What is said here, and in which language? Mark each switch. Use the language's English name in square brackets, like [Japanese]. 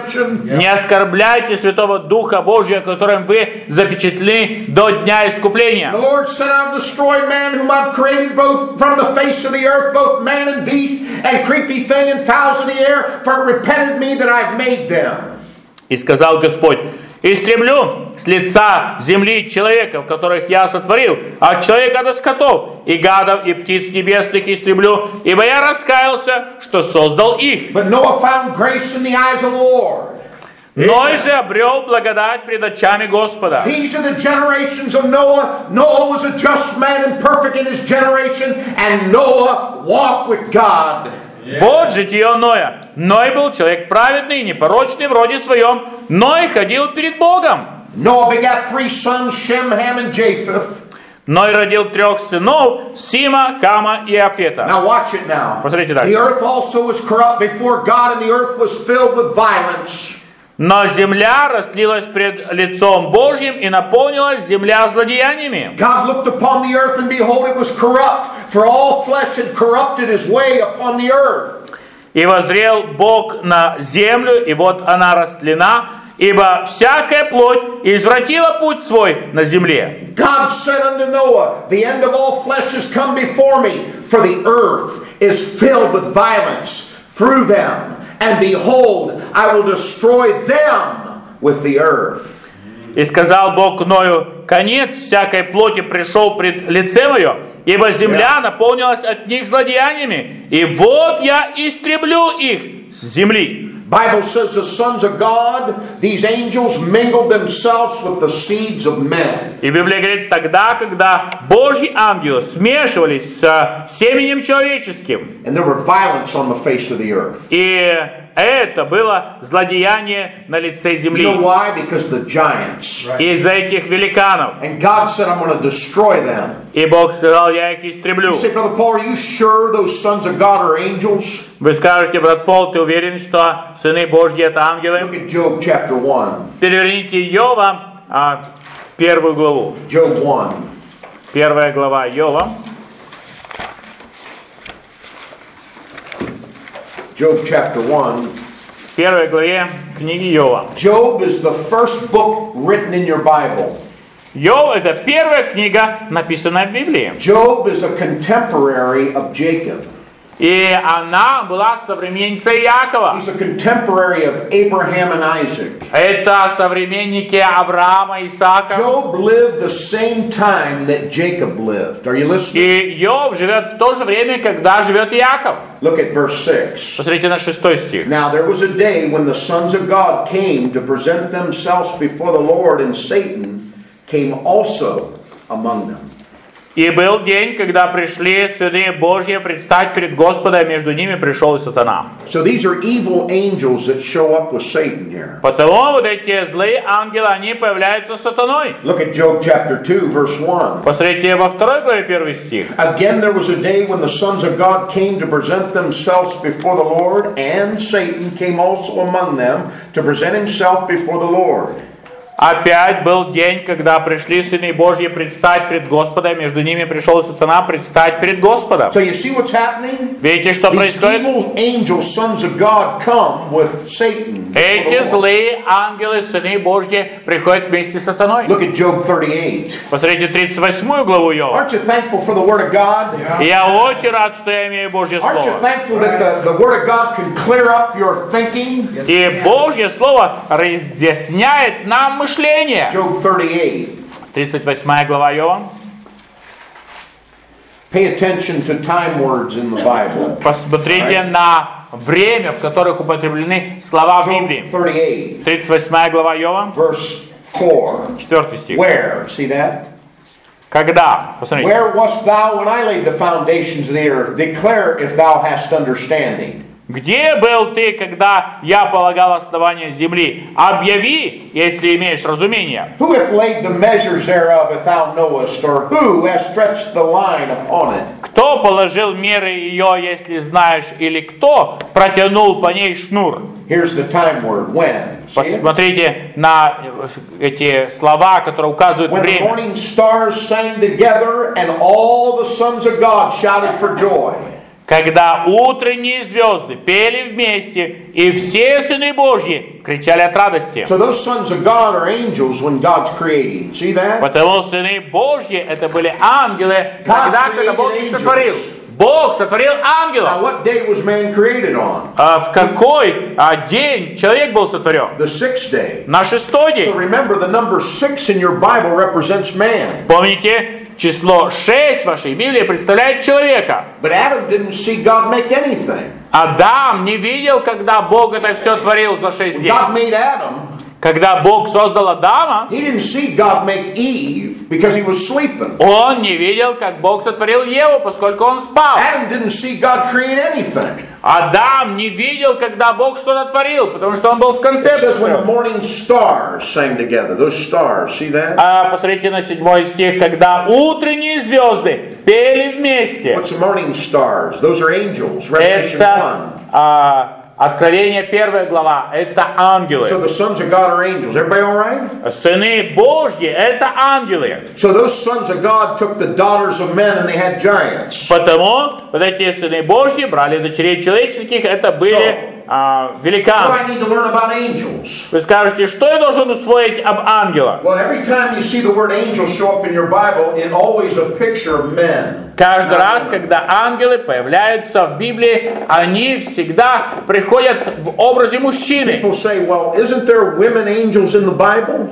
[Russian] Не оскорбляйте Святого Духа Божьего, которым вы запечатлены до дня искупления. [English] The Lord said, I'll destroy man whom I've created both from the face of the earth, both man and beast, and creepy thing and fowls of the air, for it repented me that I've made them. [Russian] И сказал Господь, истреблю с лица земли человеков, которых я сотворил, от человека до скотов, и гадов, и птиц небесных истреблю, ибо я раскаялся, что создал их. [English] But Noah found grace in the eyes of the Lord. [Russian] Ной же обрел благодать пред очами Господа. [English] These are the generations of Noah. Noah was a just man and perfect in his generation, and Noah walked with God. [Russian] Вот житие Ноя. Ной был человек праведный и непорочный в роде своем. Ной ходил перед Богом. [English] Noah begat three sons, Shem, Ham, and Japheth. [Russian] Ной родил трех сынов, Сима, Хама и Афета. [English] Now watch it now. [Russian] Посмотрите так. [English] The earth also was corrupt before God, and the earth was filled with violence. [Russian] Но земля раслилась пред лицом Божьим и наполнилась земля злодеяниями. [English] God looked upon the earth and behold it was corrupt, for all flesh had corrupted his way upon the earth. [Russian] И воззрел Бог на землю, и вот она растлена, ибо всякая плоть извратила путь свой на земле. [English] God said unto Noah, the end of all flesh has come before me, for the earth is filled with violence through them. And behold, I will destroy them with the earth. [Russian] И сказал Бог Ною, конец всякой плоти пришел пред лице мое, ибо земля наполнилась от них злодеяниями, и вот я истреблю их с земли. [English] Bible says the sons of God, these angels mingled themselves with the seeds of men. [Russian] И Библия говорит, тогда, когда Божьи ангелы смешивались с семенем человеческим. [English] And there were violence on the face of the earth. [Russian] И это было злодеяние на лице земли. [English] You know why? Because the giants. [Russian] Из-за этих великанов. [English] And God said, I'm going to destroy them. [Russian] И Бог сказал, я их истреблю. [English] You say, Brother Paul, are you sure those sons of God are angels? [Russian] Вы скажете, брат Пол, ты уверен, что сыны Божьи это ангелы? [English] Look at Job chapter 1. [Russian] Переверните Йова, первую главу. [English] Job 1. [Russian] Первая глава Йова. [English] Job chapter 1. [Russian] В первой главе книги Йова. [English] Job is the first book written in your Bible. [Russian] Йов — это первая книга, написанная в Библии. [English] Job is a contemporary of Jacob. [Russian] И она была современницей Якова. [English] He's a contemporary of Abraham and Isaac. [Russian] Это современники Авраама и Исаака. [English] Job lived the same time that Jacob lived. Are you listening? [Russian] И Йов живет в то же время, когда живет Яков. [English] Look at verse 6. [Russian] Посмотрите на шестой стих. [English] Now there was a day when the sons of God came to present themselves before the Lord, and Satan came also among them. [Russian] И был день, когда пришли сыны Божьи предстать перед Господом, между ними пришел сатана. [English] So these are evil angels that show up with Satan here. [Russian] Потому вот эти злые ангелы, они появляются сатаной. [English] Look at Job chapter 2, verse 1. [Russian] Посмотрите во второй главе первый стих. [English] Again there was a day when the sons of God came to present themselves before the Lord, and Satan came also among them to present himself before the Lord. [Russian] Опять был день, когда пришли сыны Божьи предстать перед Господом, между ними пришел сатана предстать перед Господом. [English] So you see what's happening? [Russian] Видите, что [English] These [Russian] происходит? [English] Evil angels, sons of God, come with Satan. [Russian] Эти злые ангелы, сыны Божьи, приходят вместе с сатаной. [English] Look at Job 38. [Russian] Посмотрите 38 главу Иова. [English] Aren't you thankful for the word of God? [Russian] Я очень рад, что я имею Божье слово. [English] Aren't you thankful that the word of God can clear up your thinking? [Russian] И Божье слово разъясняет нам мышление. [English] Job 38. [Russian] 38 глава Иова. [English] Pay attention to time words in the Bible. [Russian] Посмотрите на время, в которых употреблены слова в Библии. 38 глава Иова. [English] Verse 4. Where? See that? [Russian] Когда? Посмотрите. [English] Where wast thou when I laid the foundations of the earth? Declare if thou hast understanding. [Russian] Где был ты, когда я полагал основание земли? Объяви, если имеешь разумение. [English] Who hath laid the measures thereof if thou knowest, or who hath stretched the line upon it? [Russian] Кто положил меры ее, если знаешь, или кто протянул по ней шнур? [English] Here's the time word. When? [Russian] Посмотрите на эти слова, которые указывают [English] when [Russian] время. [English] When the morning stars sang together and all the sons of God shouted for joy. [Russian] Когда утренние звезды пели вместе, и все сыны Божьи кричали от радости. [English] So those sons of God are angels when God's creating. See that? [Russian] Потому сыны Божьи это были ангелы, когда Бог их сотворил. Бог сотворил ангелов. [English] Now what day was man created on? [Russian] В какой день человек был сотворен? [English] The sixth day. [Russian] На шестой день. [English] So remember the number six in your Bible represents man. [Russian] Помните? Число 6 в вашей Библии представляет человека. [English] But Adam didn't see God make anything. [Russian] Адам не видел, когда Бог это все творил за 6 дней. [English] God made Adam, [Russian] когда Бог создал Адама, [English] he didn't see God make Eve because he was sleeping. [Russian] Он не видел, как Бог сотворил Еву, поскольку он спал. [English] Adam didn't see God create anything. [Russian] Адам не видел, когда Бог что-то творил, потому что он был в конце. [English] It says when the morning stars sang together. Those stars, see that? [Russian] Посмотрите на седьмой стих, когда утренние звезды пели вместе. [English] What's morning stars? Those are angels. Revelation 1. [Russian] Откровение 1 глава. Это ангелы. [English] So the sons of God are angels. Everybody all right? [Russian] Сыны Божьи это ангелы. [English] So those sons of God took the daughters of men and they had giants. [Russian] Потому вот эти сыны Божьи брали дочерей человеческих, это были великан. [English] What do I need to learn about angels? [Russian] Вы скажете, что я должен усвоить об ангелах? [English] Well, every time you see the word angel show up in your Bible, it always a picture of men. [Russian] Каждый раз, когда ангелы появляются в Библии, они всегда приходят в образе мужчины. [English] Say, well, isn't there women angels in the Bible?